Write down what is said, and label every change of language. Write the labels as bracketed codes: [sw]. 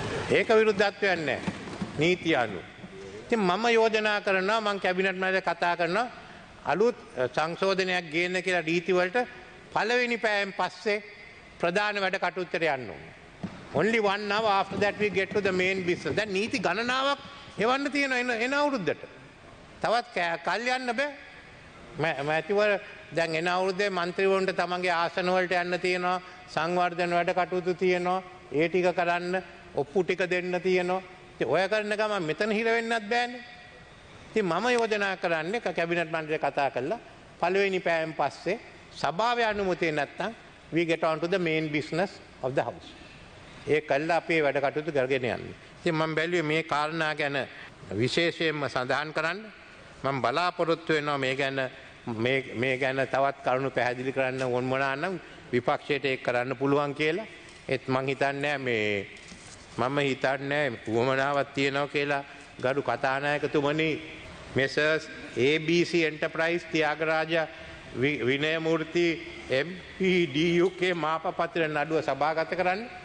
[si] ඒක විරුද්ධත්වයක් නැහැ. නීති අනු. ඉතින් මම යෝජනා කරනවා මම කැබිනට් මැද කතා කරනවා අලුත් සංශෝධනයක් ගේන්න කියලා ඩීටි වලට පළවෙනි පෑයෙන් පස්සේ ප්‍රධාන වැඩ කටයුතුට යන්න ඕනේ. [en] Only 1 hour after that we get to the main business. [si] දැන් නීති ගණනාවක් එවන්න තියෙන එන අවුරුද්දට. තවත් කල්යන්න බෑ. මැතිවර දැන් එන අවුරුද්දේ මන්ත්‍රීවරුන්ට තමන්ගේ ආසන වලට යන්න තියෙනවා. සංවර්ධන වැඩ කටයුතු තියෙනවා. ඒ ටික කරන්න ඔප්පු ටික දෙන්න තියෙනවා. ඉතින් ඔය කරන ගමන් මෙතන හිර වෙන්නත් බෑනේ. ඉතින් මම යෝජනා කරන්නේ කැබිනට් මණ්ඩලේ කතා කළා. පළවෙනි පෑයෙන් පස්සේ සභාවේ අනුමැතිය නැත්තම් [en] we get on to the main business of the house. [si] ඒ කල්ල අපේ වැඩ කටයුතු කරගෙන යන්නේ. ඉතින් මම බැලුවේ මේ කාරණා ගැන විශේෂයෙන්ම සඳහන් කරන්න. මම බලාපොරොත්තු වෙනවා මේ ගැන මේ ගැන තවත් කරුණු පැහැදිලි කරන්න ඕනමනා නම් විපක්ෂයට ඒක කරන්න පුළුවන් කියලා. ඒත් මං හිතන්නේ මේ මම හිතන්නේ උවමනාවක් තියෙනවා කියලා ගරු කතානායකතුමනි මෙසර්ස් ABC එන්ටර්ප්‍රයිස් ත්‍යාගරාජ විනයමූර්ති MPDUK මාපපත්‍ර නඩුව සභාගත කරන්න.